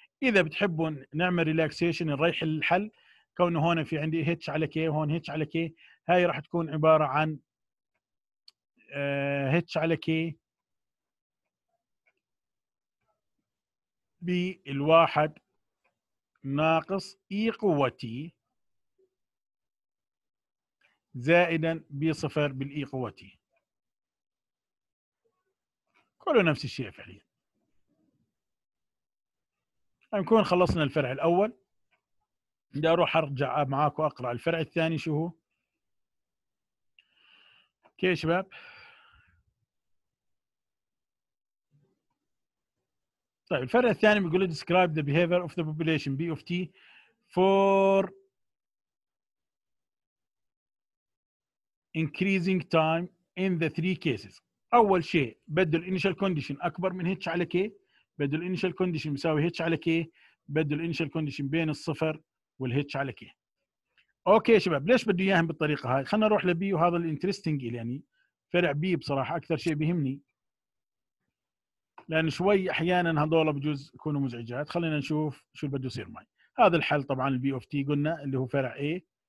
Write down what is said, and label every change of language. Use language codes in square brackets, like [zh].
[ar] إذا بتحبوا نعمل ريلاكسيشن نريح الحل كونه هون في عندي هيتش على كي وهون هيتش على كي هاي راح تكون عبارة عن هيتش على كي بالواحد ناقص إي قوتي زائدا بي صفر بالإي قوتي كله نفس الشيء فعليا. نكون خلصنا الفرع الأول. بدي أروح أرجع معاكم أقرأ الفرع الثاني شو هو. كي شباب طيب الفرع الثاني بيقول [en] describe the behavior of the population B of T for increasing time in the three cases. [ar] أول شيء بدل initial condition أكبر من H على K. بدل initial condition يساوي H على K. بدل initial condition بين الصفر والH على K. أوكي شباب ليش بدو إياهم بالطريقة هاي؟ خلنا نروح لبي وهذا الانترستنج يعني فرع بي بصراحة أكثر شيء بيهمني لأن شوي أحياناً هذولا بجوز يكونوا مزعجات. خلينا نشوف شو بده يصير معي. هذا الحل طبعاً البي أوف تي قلنا اللي هو فرع A.